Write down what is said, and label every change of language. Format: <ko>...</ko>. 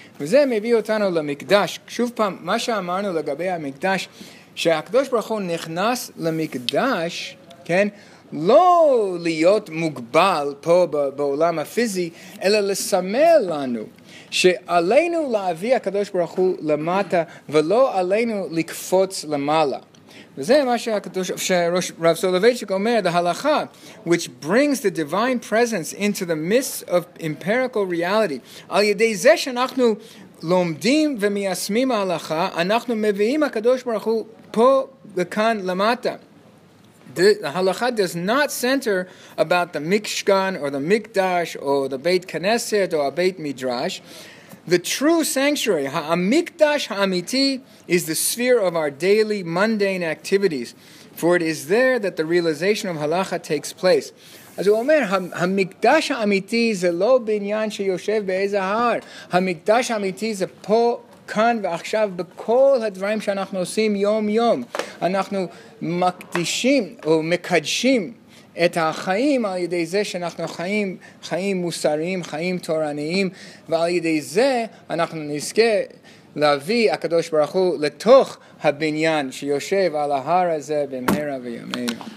<he>וזה מביא אותנו למקדש. שוב פעם, מה שאמרנו לגבי המקדש, שהקדוש ברוך הוא נכנס למקדש, כן? לא להיות מוגבל פה בעולם הפיזי, אלא לסמל לנו שעלינו להביא הקדוש ברוך הוא למטה, ולא עלינו לקפוץ למעלה. וזה מה שרב סולובייצ'יק אומר,</he> <en>the halakha, which brings the divine presence into the midst of empirical reality.</en> <he>על ידי זה שאנחנו לומדים ומיישמים ההלכה, אנחנו מביאים הקדוש ברוך הוא פה וכאן למטה.</he> <en>The halakha does not center about the mikshkan or the mikdash or the beit knesset or a beit midrash. The true sanctuary, ha-mikdash ha-amiti, is the sphere of our daily mundane activities. For it is there that the realization of halakha takes place.</en> <he>אז הוא אומר, המקדש האמיתי זה לא בניין שיושב באיזה הר. המקדש האמיתי זה פה, כאן ועכשיו, בכל הדברים שאנחנו עושים יום-יום. אנחנו מקדישים או מקדשים את החיים על ידי זה שאנחנו חיים, חיים מוסריים, חיים תורניים, ועל ידי זה אנחנו נזכה להביא הקדוש ברוך הוא לתוך הבניין שיושב על ההר הזה במהרה וימינו.</he>